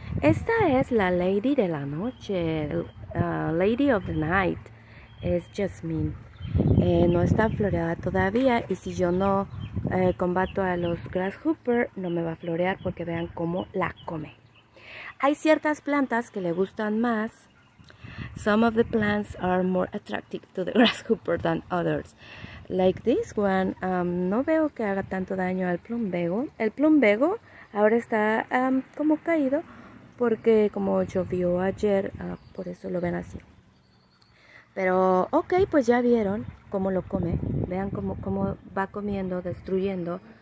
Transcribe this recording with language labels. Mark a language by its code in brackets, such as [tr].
[es] Esta es la Lady de la Noche, Lady of the Night, es jasmine. No está floreada todavía, y si yo no combato a los grasshopper, no me va a florear, porque vean cómo la come. Hay ciertas plantas que le gustan más. [en] Some of the plants are more attractive to the grasshopper than others. Like this one, [es] no veo que haga tanto daño al plumbago. El plumbago ahora está como caído, porque como llovió ayer, por eso lo ven así. Pero ok, pues ya vieron cómo lo come. Vean cómo va comiendo, destruyendo.